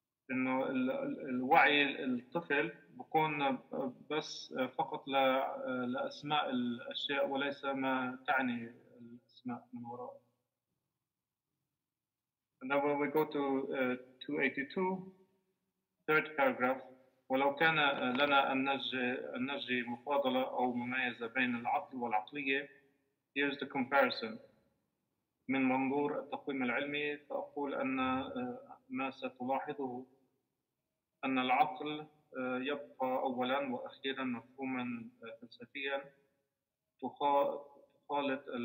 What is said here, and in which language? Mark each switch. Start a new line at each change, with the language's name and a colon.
Arabic: انه الوعي الطفل بكون بس فقط لاسماء الاشياء وليس ما تعني الاسماء من وراء.
English: And then when we go to 282, third paragraph.
Arabic: ولو كان لنا أن نجري مفاضلة أو مميزة بين العقل والعقلية
English: here's the comparison
Arabic: من منظور التقويم العلمي فأقول أن ما ستلاحظه أن العقل يبقى أولا وأخيرا مفهوما فلسفيا تخالط